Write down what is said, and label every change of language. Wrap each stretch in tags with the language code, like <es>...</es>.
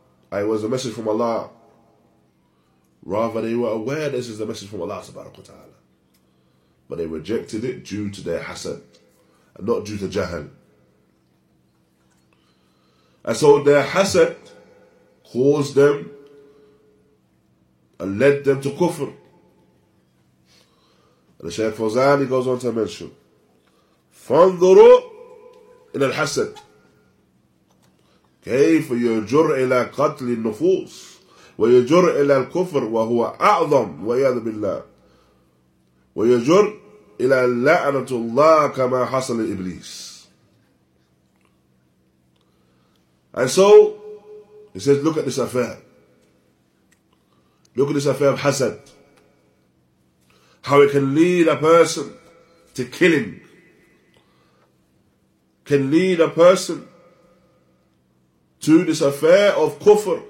<en>It was a message from Allah. Rather, they were aware this is a message from Allah subhanahu wa ta'ala. But they rejected it due to their hasad, and not due to jahal. And so their hasad caused them and led them to kufr. And the Shaykh Fawzani goes on to mention,</en> <ar>فَانْظُرُوا إِلَى الْحَسَدِ كيف يجر إلى قتل النفوس ويجر إلى الكفر وهو أعظم وعياذ بالله ويجر إلى لعنة الله كما حصل لإبليس.</ar> <en>And so he says, look at this affair. Look at this affair of hasad. How it can lead a person to killing. Can lead a person to this affair of kufr.</en>